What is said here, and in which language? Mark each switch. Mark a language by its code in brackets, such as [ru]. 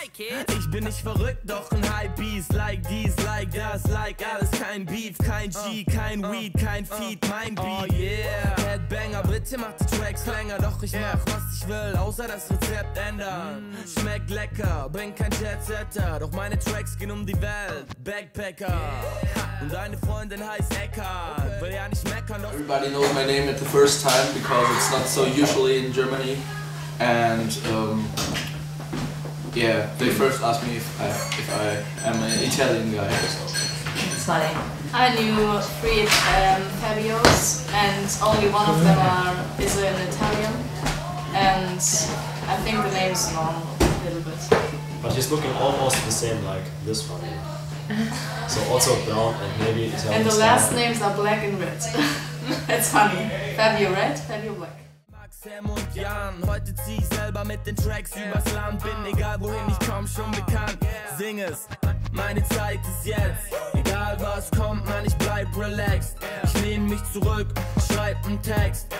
[de] Ich bin nicht verrückt, doch ein Hypebeast, like dies, like das, like alles, kein Beef, kein G, kein Weed, kein Feed, mein Beat. [en] Oh yeah, [de] Headbanger, bitte mach die Tracks länger, doch ich mach was ich will, außer das Rezept ändern. Schmeckt lecker, bin kein Jetsetter, doch meine Tracks gehen um die Welt, Backpacker. Und deine Freundin heißt Eckart, will ja nicht meckern, doch. [en] Everybody knows my name at the first time because it's not so usually in Germany, and yeah, they first asked me if I am an Italian guy. It's funny. I knew three Fabios, and only one of them is an Italian, and I think the name is wrong a little bit. But he's looking almost the same like this one. So also brown and maybe Italian. And the last names are black and red. That's funny. Fabio red, Fabio black. [de] Sam und Jan, heute zieh ich selber mit den Tracks übers Land. Bin egal wohin ich komm, schon bekannt. Sing es, meine Zeit ist jetzt. Egal was kommt, man, ich bleib relaxed. Ich lehn mich zurück, schreib nen Text.